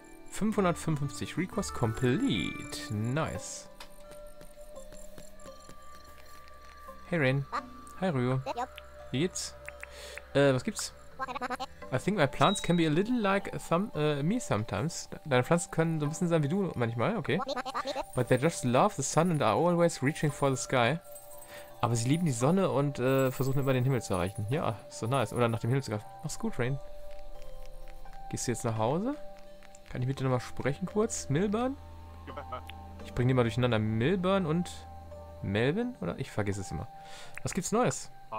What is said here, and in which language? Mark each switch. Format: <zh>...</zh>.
<en>555. Request complete. Nice. Hey, Rain. Hi, Rue.</en> <de>Wie geht's? Was gibt's?</de> <en>I think my plants can be a little like me sometimes.</en> <de>Deine Pflanzen können so ein bisschen sein wie du manchmal, okay.</de> <en>But they just love the sun and are always reaching for the sky.</en> <de>Aber sie lieben die Sonne und versuchen immer den Himmel zu erreichen. Ja,</de> <en>so nice.</en> <de>Oder nach dem Himmel zu greifen. Mach's gut, Rain. Gehst du jetzt nach Hause? Kann ich mit dir nochmal sprechen kurz? Milburn? Ich bring die mal durcheinander. Milburn und Melvin? Oder? Ich vergesse es immer. Was gibt's Neues?</de>